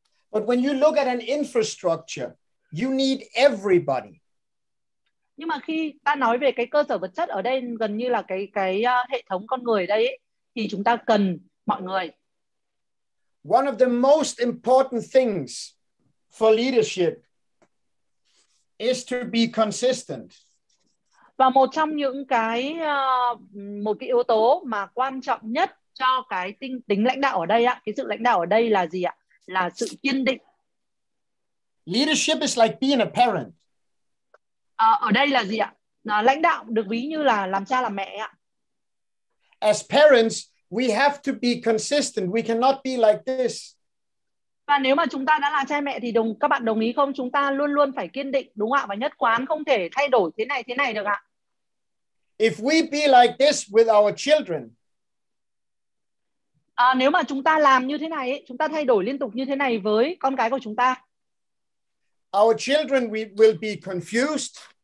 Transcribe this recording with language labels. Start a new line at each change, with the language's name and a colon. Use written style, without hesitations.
English: But when you look at an infrastructure, you need everybody.
Vietnamese: Nhưng mà khi ta nói về cái cơ sở vật chất ở đây gần như là cái hệ thống con người ở đây ấy, thì chúng ta cần mọi người.
English: One of the most important things for leadership is to be consistent.
Vietnamese: Và một trong những cái một cái yếu tố mà quan trọng nhất cho cái tính lãnh đạo ở đây ạ, cái sự lãnh đạo ở đây là gì ạ? Là sự kiên định.
English: Leadership is like being a parent.
Vietnamese: Ở đây là gì ạ? Lãnh đạo được ví như là làm cha làm mẹ ạ.
English: As parents, we have to be consistent. We cannot be like this.
Vietnamese: Và nếu mà chúng ta đã là cha mẹ thì các bạn đồng ý không? Chúng ta luôn luôn phải kiên định, đúng không ạ? Và nhất quán, không thể thay đổi thế này được ạ.
English: If we be like this with our children.
Vietnamese: Nếu mà chúng ta làm như thế này, chúng ta thay đổi liên tục như thế này với con cái của chúng ta.
English: Our children will be confused.